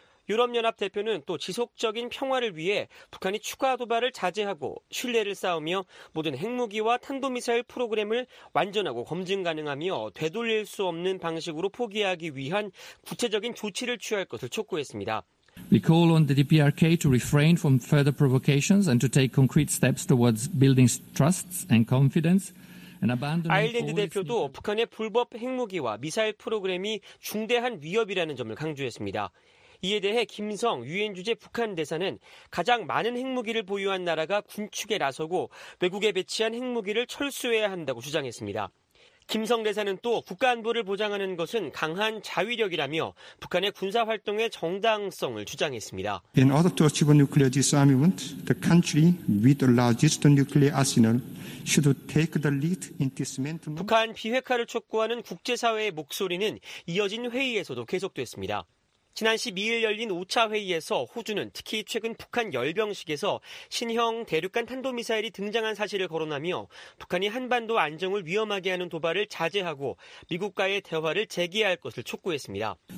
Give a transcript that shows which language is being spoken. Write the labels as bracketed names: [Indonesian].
[Korean] 유럽연합 대표는 또 지속적인 평화를 위해 북한이 추가 도발을 자제하고 신뢰를 쌓으며 모든 핵무기와 탄도미사일 프로그램을 완전하고 검증 가능하며 되돌릴 수 없는 방식으로 포기하기 위한 구체적인 조치를 취할 것을 촉구했습니다. [English] We call on the DPRK to refrain from further provocations and to take concrete steps towards building trust and confidence. [Korean] 아일랜드 대표도 북한의 불법 핵무기와 미사일 프로그램이 중대한 위협이라는 점을 강조했습니다. 이에 대해 김성 유엔 주재 북한 대사는 가장 많은 핵무기를 보유한 나라가 군축에 나서고 외국에 배치한 핵무기를 철수해야 한다고 주장했습니다. 김성 대사는 또 국가안보를 보장하는 것은 강한 자위력이라며 북한의 군사활동의 정당성을 주장했습니다. [English] In order to achieve a nuclear disarmament, the country with the largest nuclear arsenal should take the lead in dismantling. [Korean] 북한 비핵화를 촉구하는 국제사회의 목소리는 이어진 회의에서도 계속됐습니다. 지난 12일 열린 5차 회의에서 호주는 특히 최근 북한 열병식에서 신형 대륙간 탄도미사일이 등장한 사실을 거론하며 북한이 한반도 안정을 위험하게 하는 도발을 자제하고 미국과의 대화를 재개할 것을 촉구했습니다.